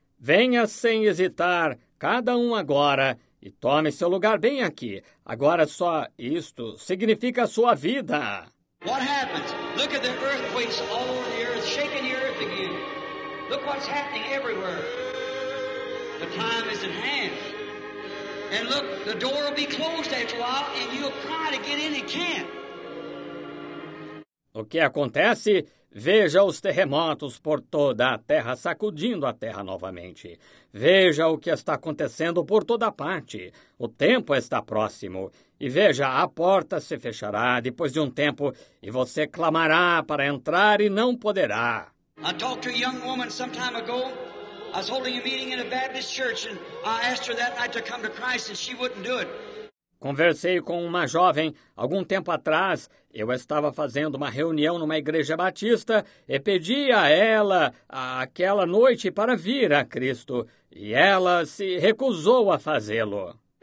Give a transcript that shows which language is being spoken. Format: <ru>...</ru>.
<pt>Venha sem hesitar, cada um agora, e tome seu lugar bem aqui. Agora só isto significa a sua vida.</pt> <en>What happens? Look at the earthquakes all over the earth, shaking the earth again. Look what's happening everywhere. The time is at hand. And look, the door will be closed after a while, and you'll try to get in and can't.</en> <pt>O que acontece? Veja os terremotos por toda a terra, sacudindo a terra novamente. Veja o que está acontecendo por toda parte. O tempo está próximo. E veja, a porta se fechará depois de um tempo, e você clamará para entrar e não poderá.</pt> <en>I talked to a young woman some time ago. I was holding a meeting in a Baptist church, and I asked her that night to come to Christ, and she wouldn't do it.</en> <pt>Conversei com uma jovem algum tempo atrás. Eu estava fazendo uma reunião numa igreja batista e pedi a ela aquela noite para vir a Cristo. E ela se recusou a fazê-lo.</pt>